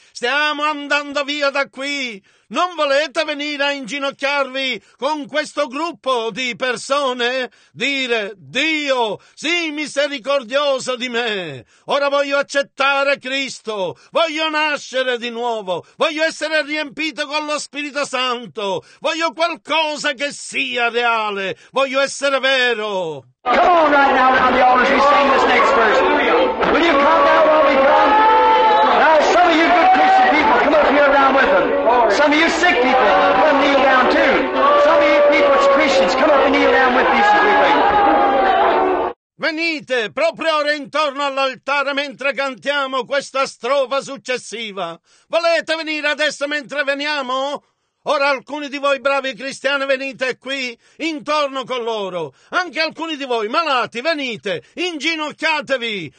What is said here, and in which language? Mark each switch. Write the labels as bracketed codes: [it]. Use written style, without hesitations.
[it] Stiamo andando via da qui. Non volete venire a inginocchiarvi con questo gruppo di persone? Dire, Dio, sii misericordioso di me. Ora voglio accettare Cristo. Voglio nascere di nuovo. Voglio essere riempito con lo Spirito Santo. Voglio qualcosa che sia reale. Voglio essere vero. [en] Come on right now down the altar as we sing this next verse. Will you come down while we come? Now some of you good Christian people, come up here around with them. Some of you sick people, come kneel down too. Some of you people, it's Christians, come up and kneel down with these people. [it] Venite proprio ora intorno all'altare mentre cantiamo questa strofa successiva. Volete venire adesso mentre veniamo? Ora alcuni di voi bravi cristiani venite qui, intorno con loro. Anche alcuni di voi malati, venite, inginocchiatevi.